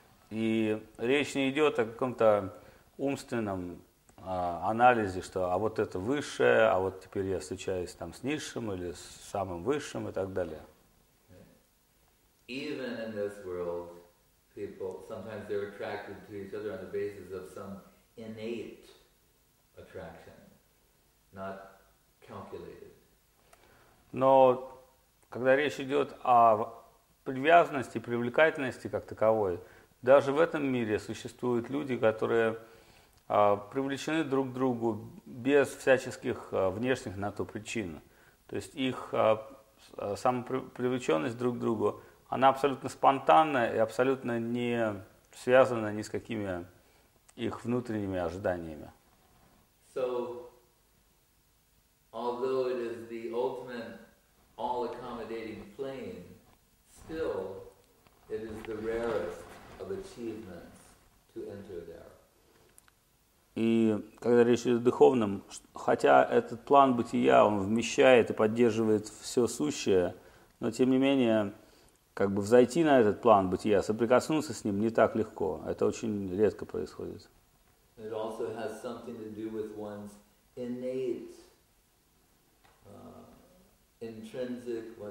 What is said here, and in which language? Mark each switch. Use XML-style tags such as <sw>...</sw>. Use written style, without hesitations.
<ru>И речь не идет о каком-то умственном анализе, что а вот это высшее, а вот теперь я встречаюсь там с низшим или с самым высшим и так далее.</ru> <en>Even in this world, people sometimes they're attracted to each other on the basis of some innate attraction, not calculated.</en> <ru>Но когда речь идет о привязанности, привлекательности как таковой, даже в этом мире существуют люди, которые привлечены друг к другу без всяческих внешних на то причин. То есть их самопривлеченность друг к другу, она абсолютно спонтанная и абсолютно не связана ни с какими их внутренними ожиданиями.</ru> <en>So, although it is the ultimate all-accommodating plane, still it is the rarest of achievements to enter there.</en> <ru>И когда речь идет о духовном, хотя этот план бытия, он вмещает и поддерживает все сущее, но тем не менее, как бы взойти на этот план бытия, соприкоснуться с ним не так легко. Это очень редко происходит.</ru> <en>It also has something to do with one's innate, intrinsic,</en>